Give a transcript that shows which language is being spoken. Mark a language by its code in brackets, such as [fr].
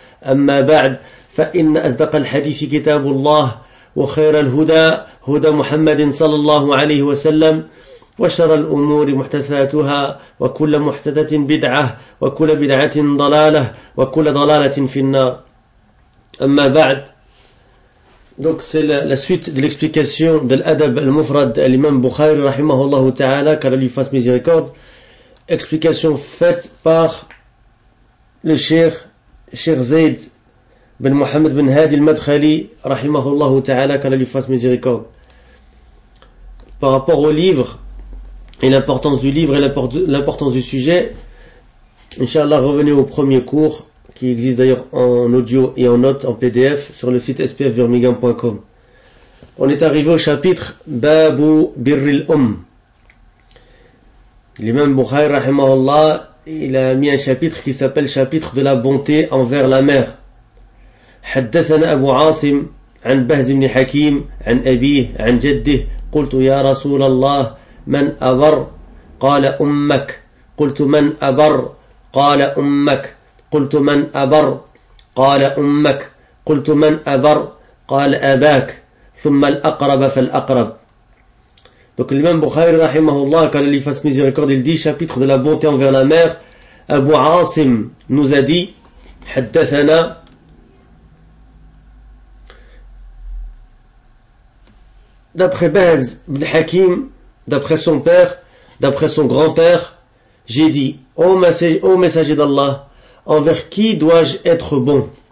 [ar] أما بعد، فإن أصدق الحديث كتاب الله، وخير الهدى هدى محمد صلى الله عليه وسلم، وشر الأمور محدثاتها، وكل محدثة بدعة، وكل بدعة ضلالة، وكل ضلالة في النار. أما بعد، [fr] donc c'est la suite de l'explication de l'adab al-mufrad à l'imam Bukhari rahimahullah ta'ala, car il lui fasse miséricorde. Explication faite par le Cheikh Zayd ben Mohammed ben Hadi al-Madkhali rahimahullah ta'ala, car il lui fasse miséricorde. Par rapport au livre et l'importance du livre et l'importance du sujet, Inch'Allah, revenez au premier cours qui existe d'ailleurs en audio et en note en PDF sur le site spfbirmingham.com. On est arrivé au chapitre Babu Birril Umm. L'imam Bukhari rahimahullah, il a mis un chapitre qui s'appelle chapitre de la bonté envers la mère. [ar] حدثنا أبو عاصم عن بهز بن حكيم عن أبيه عن جده قلت يا رسول الله من أبر قال أمك قلت من أبر قال أمك قلت من أبر قال أمك قلت من أبر قال أباك ثم الأقرب فالأقرب. [fr] Donc l'imam Bukhari rahimahullah, car il fasse miséricorde, il dit chapitre de la bonté envers la mère. Abu Asim nous a dit, حدثنا, d'après Baz ibn Hakim, d'après son père, d'après son grand-père, j'ai dit, ô messager d'Allah, envers qui dois-je être bon?